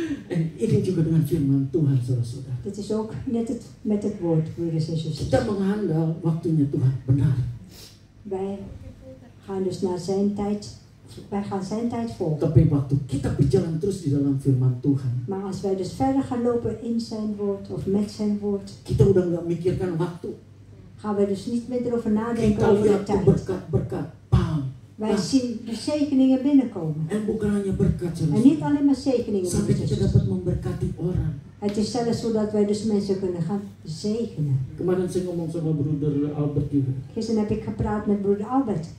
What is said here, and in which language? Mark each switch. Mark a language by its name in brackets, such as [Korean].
[Indonesian] En ini juga dengan firman Tuhan, saudara-saudara. [Dutch] Dit is ook net het met het woord, broeders en zusters. [Indonesian] Kita menghandal waktunya Tuhan, benar. [Dutch] Wij gaan dus naar zijn tijd. Wij gaan zijn tijd volgen. [Indonesian] Tapi waktu kita berjalan terus di dalam firman Tuhan. [Dutch] Maar als wij dus verder gaan lopen in zijn woord of met zijn woord. [Indonesian] Kita udah nggak mikirkan waktu. [Dutch] Gaan wij dus niet meer erover nadenken [Indonesian] kita [Dutch] over de tijd. [Indonesian] Kita lihat berkat-berkat. [Dutch] Wij zien de zegeningen binnenkomen. [Indonesian] En bukan hanya berkat, [Dutch] en niet alleen maar zegeningen. [Indonesian] Sampai kita dapat memberkati orang. [Dutch] Het is zelfs zodat wij dus mensen kunnen gaan zegenen. [Indonesian] Kemarin saya ngomong sama broeder Albert juga. [Dutch] Gisteren heb ik gepraat met broeder Albert.